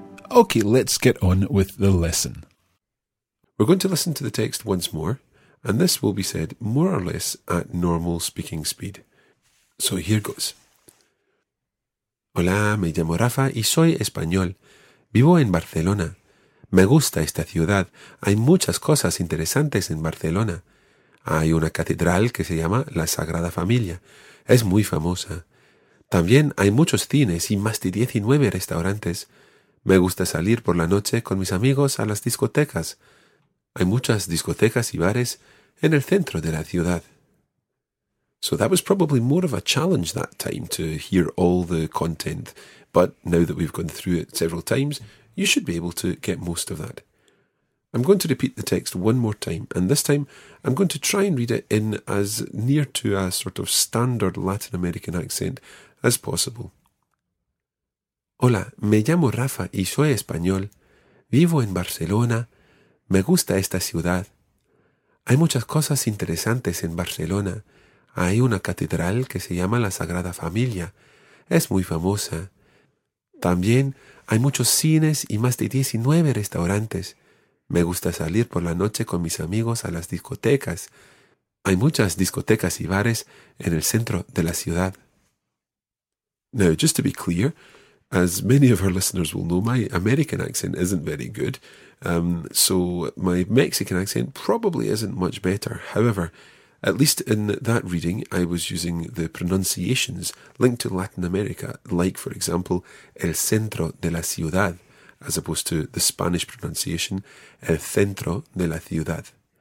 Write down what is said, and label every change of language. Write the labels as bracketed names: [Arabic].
[English] Okay, let's get on with the lesson. We're going to listen to the text once more, and this will be said more or less at normal speaking speed. So here goes. [Spanish] Hola, me llamo Rafa y soy español. Vivo en Barcelona. Me gusta esta ciudad. Hay muchas cosas interesantes en Barcelona. Hay una catedral que se llama La Sagrada Familia. Es muy famosa. También hay muchos cines y más de 19 restaurantes. Me gusta salir por la noche con mis amigos a las discotecas. Hay muchas discotecas y bares en el centro de la ciudad. [English] So that was probably more of a challenge that time to hear all the content. But now that we've gone through it several times, you should be able to get most of that. I'm going to repeat the text one more time. And this time, I'm going to try and read it in as near to a sort of standard Latin American accent as possible. [Spanish] Hola, me llamo Rafa y soy español. Vivo en Barcelona. Me gusta esta ciudad. Hay muchas cosas interesantes en Barcelona. Hay una catedral que se llama la Sagrada Familia. Es muy famosa. También hay muchos cines y más de 19 restaurantes. Me gusta salir por la noche con mis amigos a las discotecas. Hay muchas discotecas y bares en el centro de la ciudad. [English] Now, just to be clear, as many of our listeners will know, my American accent isn't very good, so my Mexican accent probably isn't much better. However, At least in that reading, I was using the pronunciations linked to Latin America, like, for example, [Spanish] el centro de la ciudad, [English] as opposed to the Spanish pronunciation, el centro de la ciudad.